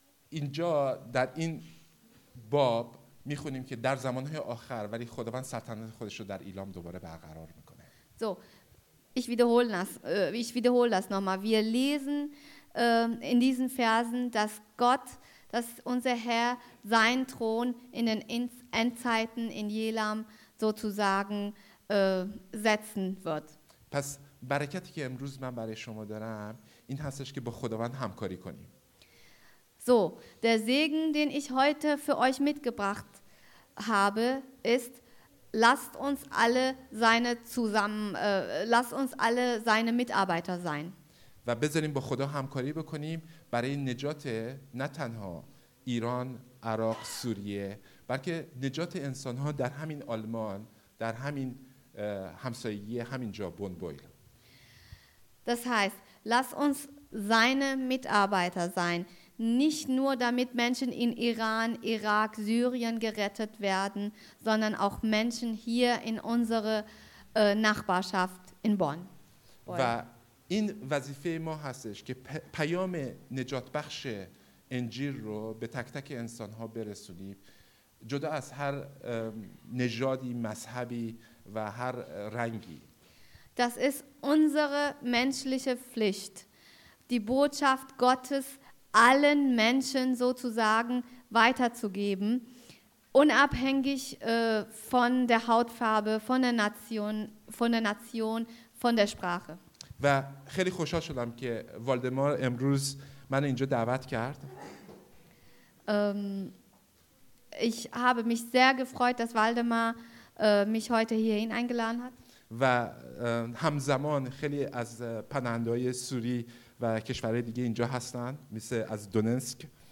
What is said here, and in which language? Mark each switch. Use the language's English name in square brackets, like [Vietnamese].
[Persian] اینجا در این باب میخونیم که در زمانهای آخر ولی خداوند سلطنت خودش رو در ایلام دوباره برقرار میکنه. [German] So, ich wiederhole das nochmal. Wir lesen in diesen Versen, dass unser Herr seinen Thron in den Endzeiten in Jelam sozusagen setzen wird. [Persian] پس برکتی که امروز من برای شما دارم این هستش که با خداوند همکاری کنیم. [German] So, der Segen, den ich heute für euch mitgebracht habe, ist: Lasst uns alle seine zusammen, lasst uns alle seine Mitarbeiter sein. [Persian] و بذاریم با خدا همکاری بکنیم برای نجات نه تنها ایران، عراق، سوریه، بلکه نجات انسان‌ها در همین آلمان، در همین همسایگی، همین جا بونبویل. [German] Das heißt, lasst uns seine Mitarbeiter sein. Nicht nur, damit Menschen in Iran, Irak, Syrien gerettet werden, sondern auch Menschen hier in unserer Nachbarschaft in Bonn. [Persian] و این وظیفه ما هستش که پیام نجات بخش انجیل رو به تک تک انسان‌ها برسونیم، جدا از هر نژادی، مذهبی و هر رنگی. [German] Das ist unsere menschliche Pflicht, die Botschaft Gottes allen Menschen sozusagen weiterzugeben, unabhängig von der Hautfarbe, von der Nation, von der Sprache. [Persian] و خیلی خوشحال شدم که والدمار امروز من اینجا دعوت کرد. [German] Ich habe mich sehr gefreut, dass Waldemar mich heute hierhin eingeladen hat. [Persian] و همزمان خیلی از پناهندگان سوری و کشورهای دیگه اینجا هستن، مثل از دونسک.